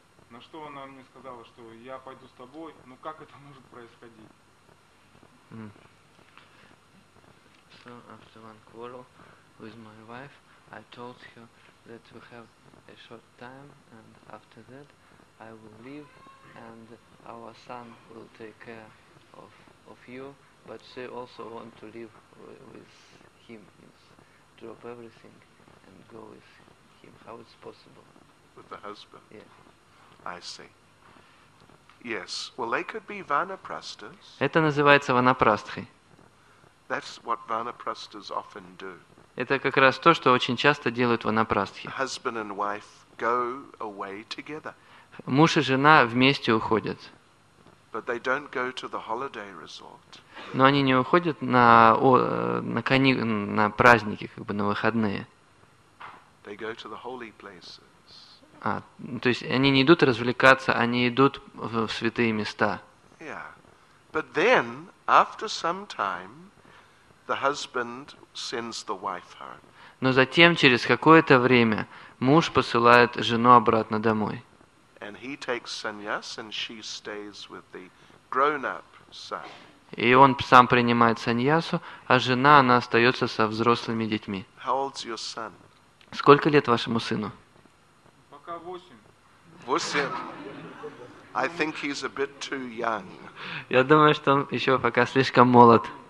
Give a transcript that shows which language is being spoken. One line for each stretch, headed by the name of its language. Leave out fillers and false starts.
Russian: На что она мне сказала, что я пойду с тобой, но как это может происходить?
English: So after one quarrel with my wife, I told her that we have a short time and after that I will leave and our son will take care of you, but she also want to leave with him, means drop everything and go with him. How is it possible? With the husband? Yeah. I see. Yes. Well, they could be vanaprasthas.
Russian: Это называется ванапрастхи.
English: That's what vanaprasthas often do.
Russian: Это как раз то, что очень часто делают ванапрастхи.
English: Husband and wife go away together.
Russian: Муж и жена вместе уходят.
English: But they don't go to the holiday resort.
Russian: Но они не уходят на праздники, как бы на выходные.
English: They go to the holy places.
Russian: А, то есть они не идут развлекаться, они идут в святые места.
English: Yeah. But then, after some time, the husband sends the wife home.
Russian: Но затем, через какое-то время, муж посылает жену обратно домой.
English: And he takes sannyas and she stays with the grown-up son.
Russian: И он сам принимает саньясу, а жена, она остается со взрослыми детьми.
English: How old's your son?
Russian: Сколько лет вашему сыну? Пока
English: 8. I think he's a bit too young.
Russian: Я думаю, что он еще пока слишком молод.